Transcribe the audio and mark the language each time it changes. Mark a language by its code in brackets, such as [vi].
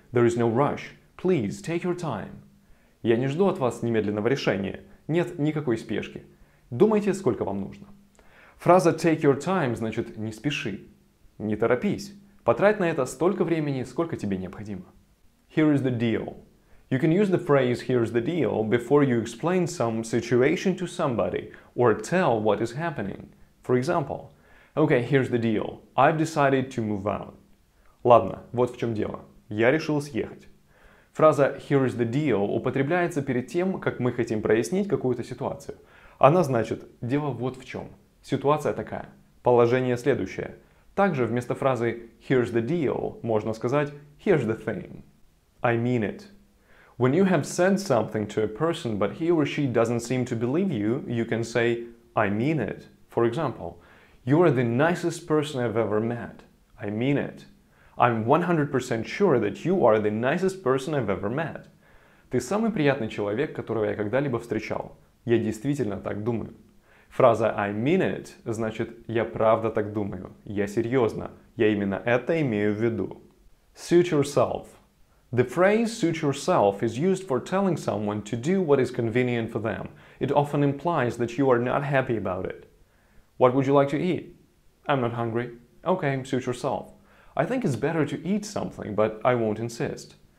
[en] There is no rush. Please take your time. [ru] Я не жду от вас немедленного решения. Нет никакой спешки. Думайте, сколько вам нужно. Фраза [en] take your time [ru] значит не спеши. Не торопись. Потрать на это столько времени, сколько тебе необходимо. [en] Here is the deal. You can use the phrase here's the deal before you explain some situation to somebody or tell what is happening. For example, okay, here's the deal. I've decided to move out. [ru] Ладно, вот в чем дело. Я решил съехать. Фраза [en] here is the deal [ru] употребляется перед тем, как мы хотим прояснить какую-то ситуацию. Она значит: дело вот в чем. Ситуация такая. Положение следующее. Также вместо фразы [en] «here's the deal» [ru] можно сказать [en] «here's the thing». I mean it. When you have said something to a person, but he or she doesn't seem to believe you, you can say «I mean it». For example, «you are the nicest person I've ever met». I mean it. I'm 100% sure that you are the nicest person I've ever met. [ru] Ты самый приятный человек, которого я когда-либо встречал. Я действительно так думаю. Фраза [en] I mean it [ru] значит «я правда так думаю», «я серьезно», «я именно это имею в виду». [en] Suit yourself. The phrase suit yourself is used for telling someone to do what is convenient for them. It often implies that you are not happy about it. What would you like to eat? I'm not hungry. Okay, suit yourself. I think it's better to eat something, but I won't insist.